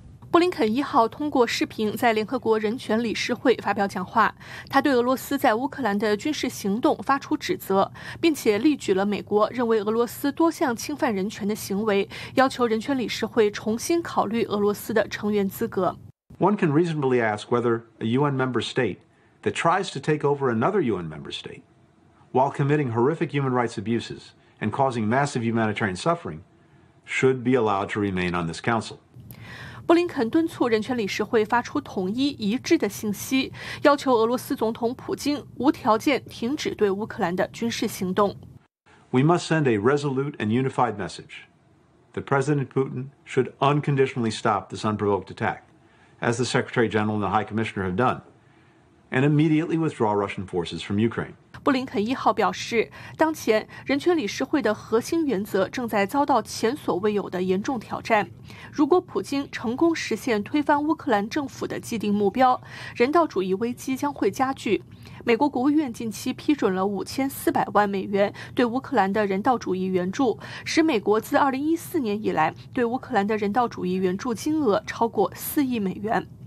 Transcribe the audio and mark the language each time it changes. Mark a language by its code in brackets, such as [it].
[zh] 布林肯1号通过视频在联合国人权理事会发表讲话，他对俄罗斯在乌克兰的军事行动发出指责，并且列举了美国认为俄罗斯多项侵犯人权的行为，要求人权理事会重新考虑俄罗斯的成员资格。 [en] One can reasonably ask whether a UN member state that tries to take over another UN member state while committing horrific human rights abuses and causing massive humanitarian suffering should be allowed to remain on this council. [zh] 布林肯敦促人权理事会发出统一一致的信息，要求俄罗斯总统普京无条件停止对乌克兰的军事行动。 [en] We must send a resolute and unified message that President Putin should unconditionally stop this unprovoked attack, as the Secretary General and the High Commissioner have done, and immediately withdraw Russian forces from Ukraine. [zh] 布林肯1号表示，当前人权理事会的核心原则正在遭到前所未有的严重挑战。如果普京成功实现推翻乌克兰政府的既定目标，人道主义危机将会加剧。美国国务院近期批准了$5400万对乌克兰的人道主义援助，使美国自2014年以来对乌克兰的人道主义援助金额超过$4亿。